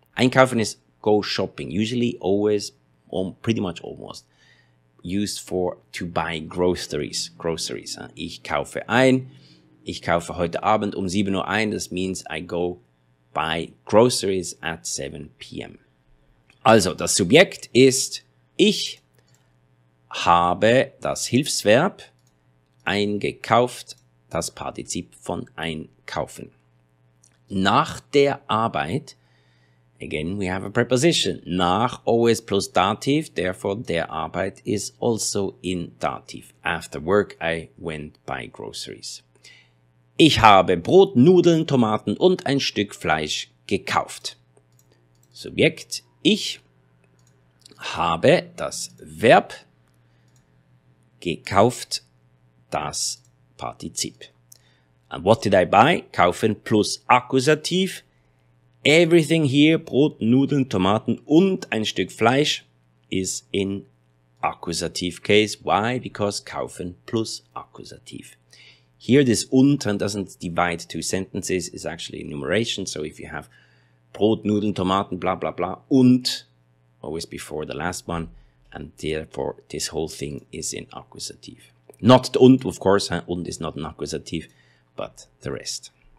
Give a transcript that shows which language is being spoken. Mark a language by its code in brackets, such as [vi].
[en] Einkaufen is go shopping. Usually, always, pretty much almost used for to buy groceries. Groceries. [de] Ich kaufe ein. Ich kaufe heute Abend um 7 Uhr ein. [en] This means I go buy groceries at 7 p.m. [de] Also, das Subjekt ist ich habe das Hilfsverb eingekauft, das Partizip von einkaufen. Nach der Arbeit, [en] again we have a preposition, nach always plus Dativ, therefore [de] der Arbeit [en] is also in Dativ. After work I went by groceries. [de] Ich habe Brot, Nudeln, Tomaten und ein Stück Fleisch gekauft. Subjekt, ich habe das Verb gekauft, das Partizip. [en] And what did I buy? Kaufen plus Akkusativ. Everything here, [de] Brot, Nudeln, Tomaten und ein Stück Fleisch, [en] is in Akkusativ case. Why? Because kaufen plus Akkusativ. Here this und doesn't divide two sentences, is actually enumeration. So if you have Brot, Nudeln, Tomaten, bla bla bla, und always before the last one, and therefore this whole thing is in Akkusativ. Not the und, of course, und is not an Akkusativ, but the rest.